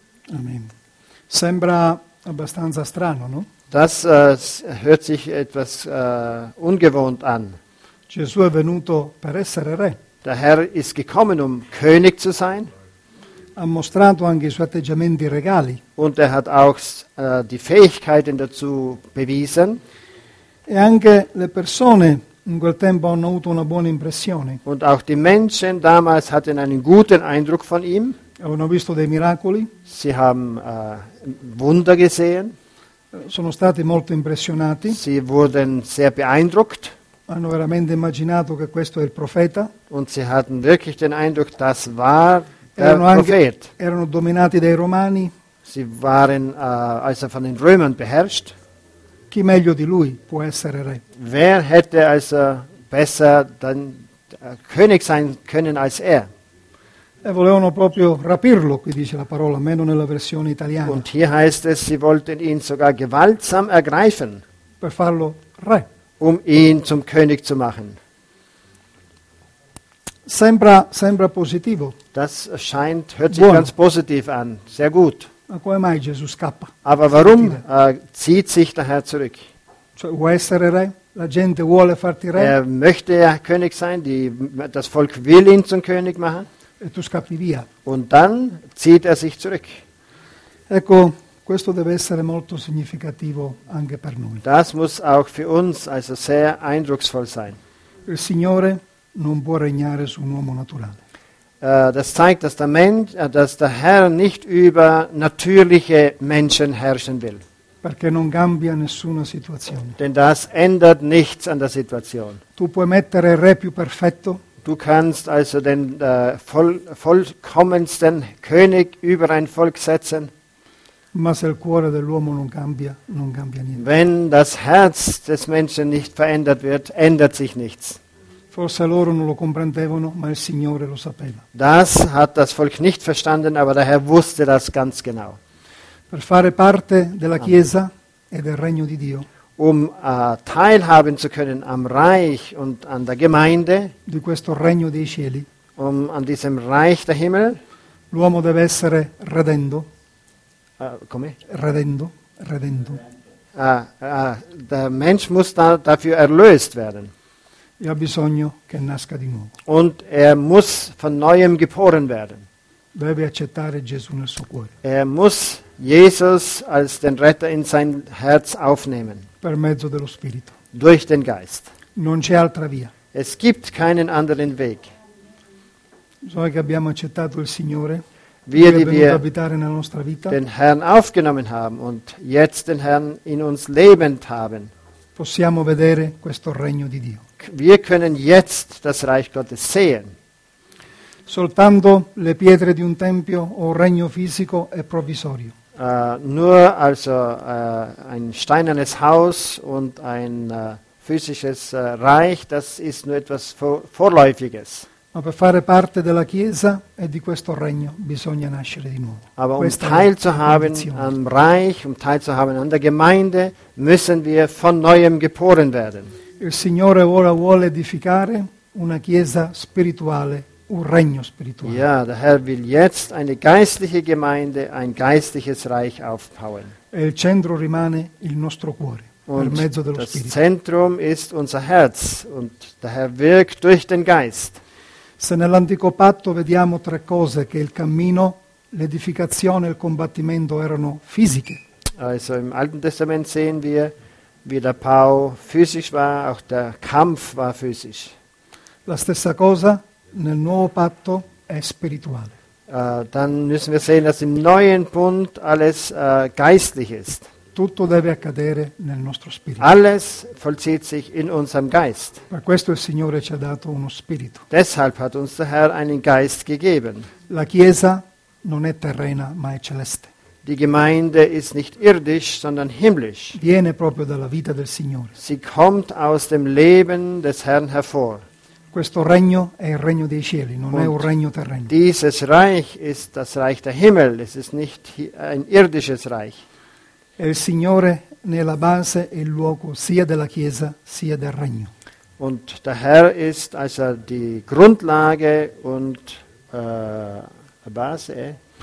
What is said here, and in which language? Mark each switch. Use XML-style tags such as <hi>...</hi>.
<it>Amen. Sembra abbastanza strano, no?</it> <de>Das hört sich etwas ungewohnt an.</de> <it>Gesù è venuto per essere re.</it> <de>Der Herr ist gekommen, um König zu sein.</de> <it>Ha mostrato anche i suoi atteggiamenti regali.</it> <de>Und er hat auch die Fähigkeiten dazu bewiesen.</de> <it>E anche le persone in quel tempo hanno avuto una buona impressione.</it> <de>Und auch die Menschen damals hatten einen guten Eindruck von ihm.</de> <it>Avevano visto dei miracoli.</it> <de>Sie haben Wunder gesehen.</de> <it>Sono stati molto impressionati.</it> <de>Sie wurden sehr beeindruckt.</de> <it>Hanno veramente immaginato che questo è il profeta.</it> <de>Und sie hatten wirklich den Eindruck, das war der Prophet.</de> <it>Erano dominati dai Romani.</it> <de>Sie waren also von den Römern beherrscht.</de> <it>Chi meglio di lui può essere re?</it> <de>Wer hätte also besser dann König sein können als er?</de> <it>E volevano proprio rapirlo, qui dice la parola, meno nella versione italiana.</it> <de>Und hier heißt es, sie wollten ihn sogar gewaltsam ergreifen.</de> <it>Per farlo re.</it> <de>Um ihn zum König zu machen.</de> <it>Sembra positivo.</it> <de>Das scheint, hört sich ganz positiv an. Sehr gut.</de> <it>Ma come mai Gesù scappa?</it> <de>Aber warum zieht sich der Herr zurück?</de> <it>Cioè, vuoi essere re? La gente vuole farti re?</it> <de>Er möchte ja König sein, das Volk will ihn zum König machen.</de> <it>E tu scappi via.</it> <de>Und dann zieht er sich zurück.</de> <it>Ecco. Questo deve essere molto significativo anche per noi.</it> <de>Das muss auch für uns also sehr eindrucksvoll sein.</de> <it>Il Signore non può regnare su un uomo naturale.</it> <de>Das zeigt, dass der Herr nicht über natürliche Menschen herrschen will.</de> <it>Perché non cambia nessuna situazione.</it> <de>Denn das ändert nichts an der Situation.</de> <it>Tu puoi mettere il re più perfetto.</it> <de>Du kannst also den vollkommensten König über ein Volk setzen.</de> <it>Ma se il cuore dell'uomo non cambia, non cambia niente.</it> <de>Wenn das Herz des Menschen nicht verändert wird, ändert sich nichts.</de> <it>Forse loro non lo comprendevano, ma il Signore lo sapeva.</it> <de>Das hat das Volk nicht verstanden, aber der Herr wusste das ganz genau.</de> <it>Per fare parte della Amen. Chiesa e del regno di Dio.</it> <de>Um teilhaben zu können am Reich und an der Gemeinde.</de> <it>Di questo regno dei cieli.</it> <de>Um an diesem Reich der Himmel.</de> <it>L'uomo deve essere redendo. Come? Redendo.</it> <de>Der Mensch muss da dafür erlöst werden.</de> <it>Ha bisogno che nasca di nuovo.</it> <de>Und er muss von neuem geboren werden.</de> <it>Deve accettare Gesù nel suo cuore.</it> <de>Er muss Jesus als den Retter in sein Herz aufnehmen.</de> <it>Per mezzo dello Spirito.</it> <de>Durch den Geist.</de> <it>Non c'è altra via.</it> <de>Es gibt keinen anderen Weg.</de> <it>So che abbiamo accettato il Signore.</it> <de>Wir, die wir den Herrn aufgenommen haben und jetzt den Herrn in uns lebend haben,</de> <it>possiamo vedere questo regno di Dio.</it> <de>Wir können jetzt das Reich Gottes sehen.</de> <it>Soltanto le pietre di un tempio o regno fisico è provvisorio.</it> <de>Ein steinernes Haus und ein physisches Reich, das ist nur etwas Vorläufiges.</de> <it>Ma per fare parte della Chiesa e di questo regno bisogna nascere di nuovo.</it> <de>Aber um teilzuhaben am Reich, um teilzuhaben an der Gemeinde, müssen wir von neuem geboren werden.</de> <it>Il Signore ora vuole edificare una Chiesa spirituale, un regno spirituale.</it> <de>Ja, der Herr will jetzt eine geistliche Gemeinde, ein geistliches Reich aufbauen.</de> <it>E il centro rimane il nostro cuore.</it> <de>Und</de> <it>mezzo dello Spirito.</it> <de>Das Zentrum ist unser Herz und der Herr wirkt durch den Geist.</de> <it>Se nell'antico patto vediamo tre cose, che il cammino, l'edificazione e il combattimento erano fisiche.</it> <de>Also im Alten Testament sehen wir, wie der Bau physisch war, auch der Kampf war physisch.</de> <it>La stessa cosa nel nuovo patto è spirituale.</it> <de>Dann müssen wir sehen, dass im neuen Bund alles geistlich ist.</de> <it>Tutto deve accadere nel nostro spirito.</it> <de>Alles vollzieht sich in unserem Geist.</de> <it>Per questo il Signore ci ha dato uno spirito.</it> <de>Deshalb hat uns der Herr einen Geist gegeben.</de> <it>La Chiesa non è terrena, ma è celeste.</it> <de>Die Gemeinde ist nicht irdisch, sondern himmlisch.</de> <it>Viene proprio dalla vita del Signore.</it> <de>Sie kommt aus dem Leben des Herrn hervor.</de> <it>Questo regno è il regno dei cieli, non è un regno terreno.</it> <de>Dieses Reich ist das Reich der Himmel. Es ist nicht ein irdisches Reich.</de> <it>E il Signore ne è la base e il luogo sia della Chiesa sia del Regno.</it> <de>Und der Herr ist also die Grundlage und</de> <it>la base</it>